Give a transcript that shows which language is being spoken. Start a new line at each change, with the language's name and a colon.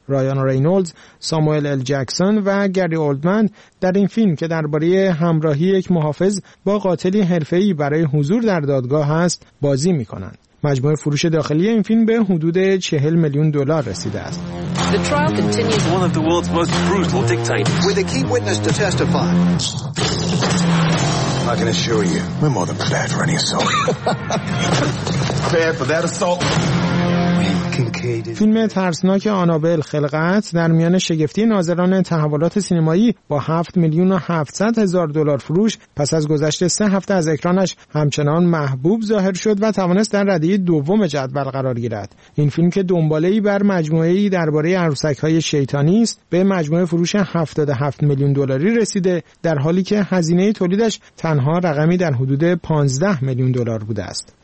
Persian: رایان رینولدز، ساموئل ال جکسون و گری اولدمن در این فیلم که درباره همراهی یک محافظ با قاتلی حرفه‌ای برای حضور در دادگاه است بازی می‌کنند. مجموع فروش داخلی این فیلم به حدود 40 میلیون دلار رسیده است.
English: The trial continues. One of the world's most brutal dictators. With a key witness to testify. I can assure you, we're more than prepared for any assault. Prepared for that assault.
Persian: فیلم ترسناک آنابل خلقت در میان شگفتی ناظران تحولات سینمایی با 7,700,000 فروش پس از گذشت 3 هفته از اکرانش همچنان محبوب ظاهر شد و توانست در ردیه دوم جدول قرار گیرد. این فیلم که دنباله‌ای بر مجموعه‌ای درباره عروسک‌های شیطانی است به مجموعه فروش 77 میلیون دلاری رسیده، در حالی که هزینه تولیدش تنها رقمی در حدود 15 میلیون دلار بوده است.